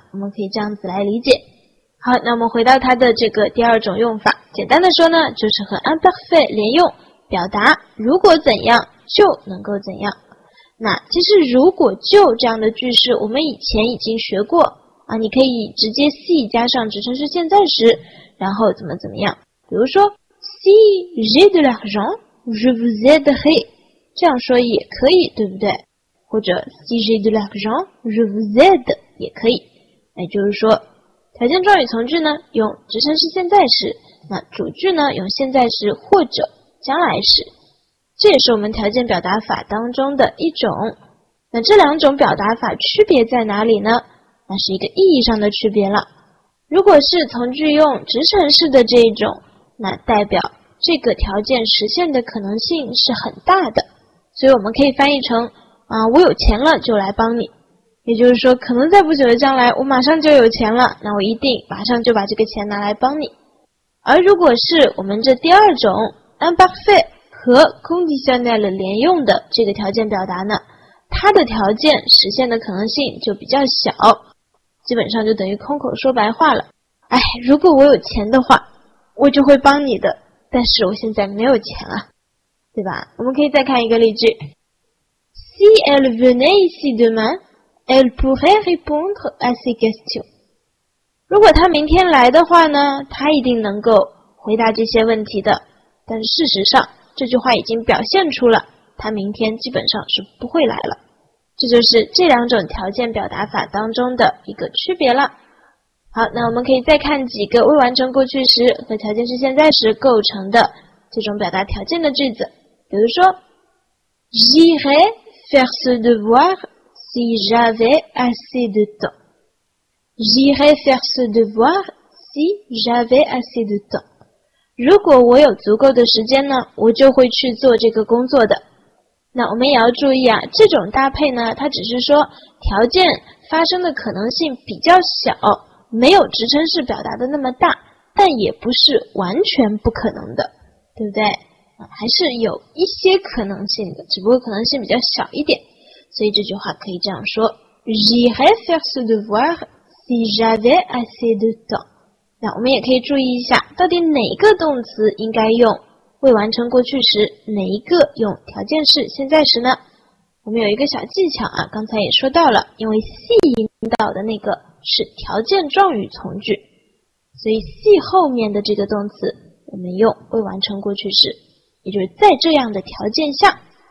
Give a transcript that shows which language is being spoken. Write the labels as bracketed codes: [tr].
[zh] 我们可以这样子来理解。好，那我们回到它的这个第二种用法，简单的说呢就是和 imparfait 连用，表达如果怎样就能够怎样。那其实如果就这样的句式我们以前已经学过啊，你可以直接 si 加上直称式现在时然后怎么怎么样，比如说 [fr] Si j'ai de l'argent, je vous aiderai. [zh] 这样说也可以，对不对？或者 [fr] Si j'ai de l'argent, je vous aide [zh] 也可以。也就是说，条件状语从句呢，用直称式现在时，那主句呢，用现在时或者将来时。这也是我们条件表达法当中的一种。那这两种表达法区别在哪里呢？那是一个意义上的区别了。如果是从句用直称式的这一种，那代表这个条件实现的可能性是很大的，所以我们可以翻译成我有钱了就来帮你，也就是说可能在不久的将来我马上就有钱了，那我一定马上就把这个钱拿来帮你。而如果是我们这第二种 imparfait 和 conditionnel 连用的这个条件表达呢，它的条件实现的可能性就比较小，基本上就等于空口说白话了。哎，如果我有钱的话我就会帮你的，但是我现在没有钱啊，对吧？我们可以再看一个例句。 [fr] Si elle venait ici demain, elle pourrait répondre à ces questions. [zh] 如果她明天来的话呢，她一定能够回答这些问题的。但事实上，这句话已经表现出了，她明天基本上是不会来了。这就是这两种条件表达法当中的一个区别了。好，那我们可以再看几个未完成过去时和条件式现在时构成的这种表达条件的句子。 [fr] 比如说 J'irai faire ce devoir si j'avais assez de temps. J'irai faire ce devoir si j'avais assez de temps. [zh] 如果我有足够的时间呢，我就会去做这个工作的。那我们也要注意啊，这种搭配呢，它只是说条件发生的可能性比较小，没有直称式表达的那么大，但也不是完全不可能的，对不对？还是有一些可能性的，只不过可能性比较小一点。所以这句话可以这样说 [fr] J'irai faire ce devoir si j'avais assez de temps。 [zh] 那我们也可以注意一下，到底哪个动词应该用未完成过去时，哪一个用条件式现在时呢？我们有一个小技巧啊，刚才也说到了，因为 si 引导的那个是条件状语从句，所以 si 后面的这个动词我们用未完成过去时，也就是在这样的条件下。